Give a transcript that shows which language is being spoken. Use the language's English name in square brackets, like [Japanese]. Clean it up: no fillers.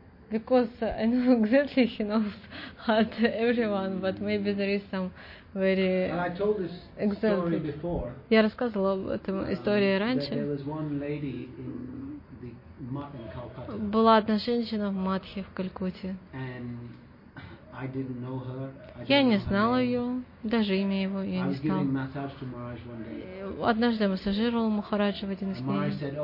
[English] Because I know exactly he knows heart everyone, but maybe there is some very. And I told this exactly. Story before. [Russian] Я рассказывал об этом истории раньше. [English] There was one lady in the mat in Calcutta. [Russian] Была одна женщина в матхе в Калькутте. [English] And I didn't know her. [Russian] Я не знал ее, даже имя его я не знал. [English] I was giving massage to Maharaj one day. [Russian] Однажды я массажировал Махараджа в один из дней.